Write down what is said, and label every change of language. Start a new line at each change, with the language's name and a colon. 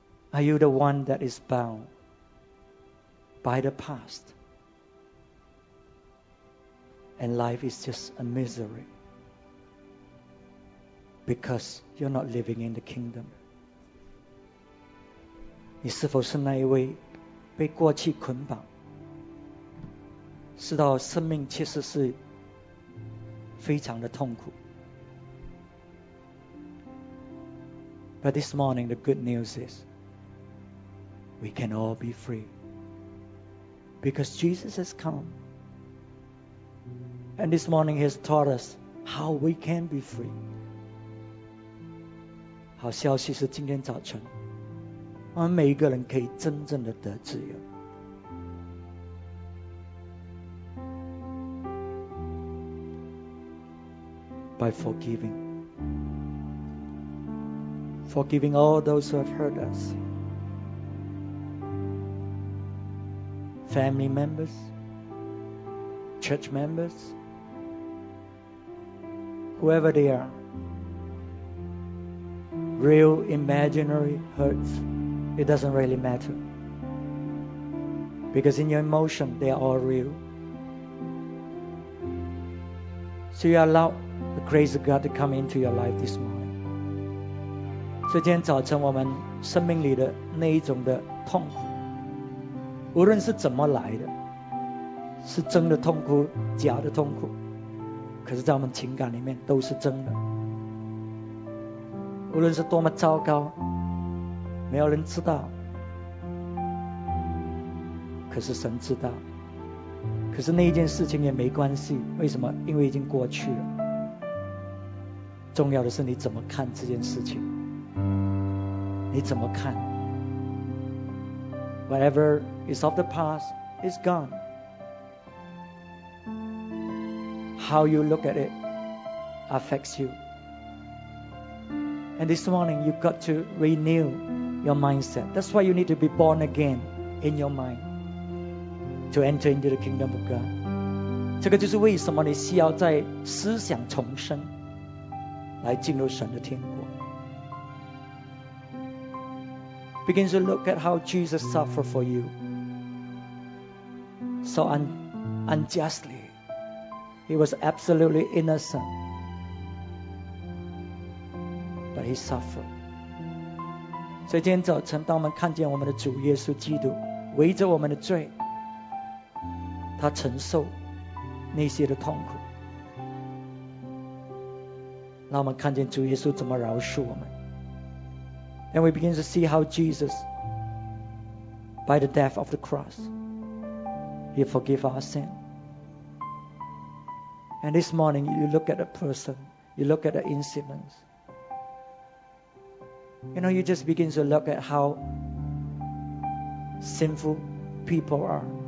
English: Are you the one that is bound by the past? And life is just a misery because you're not living in the kingdom.
Chinese: 你是否是那一位被过去捆绑，知道生命其实是非常的痛苦？
English: But this morning the good news is we can all be free because Jesus has come. And this morning he has taught us how we can be free.
Chinese: 好消息是今天早晨我们每一个人可以真正的得自由。
English: By forgiving. Forgiving all those who have hurt us. Family members. Church members. whoever they are, real, imaginary hurts, it doesn't really matter. Because in your emotion, they are all real. So you allow the grace of God to come into your life this morning.
Chinese: 所以今天早晨我们生命里的那一种的痛苦，无论是怎么来的，是真的痛苦，假的痛苦，可是在我们情感里面都是真的。无论是多么糟糕，没有人知道，可是神知道。可是那一件事情也没关系，为什么？因为已经过去了。重要的是你怎么看这件事情，你怎么看。
English: Whatever is of the past is gone. How you look at it affects you. And this morning you've got to renew your mindset. That's why you need to be born again in your mindTo enter into the kingdom of God.
Chinese: 这个就是为什么你需要在思想重生来进入神的天国。
English: Begin to look at how Jesus suffered for you. So unjustly. He was absolutely innocent. But he suffered.
Chinese: 所以今天早晨当我们看见我们的主耶稣基督围着我们的罪，他承受那些的痛苦，让我们看见主耶稣怎么饶恕我们。
English: And we begin to see how Jesus, by the death of the cross, He forgave our sin. And this morning, you look at a person, you look at the incident, you know, you just begin to look at how sinful people are.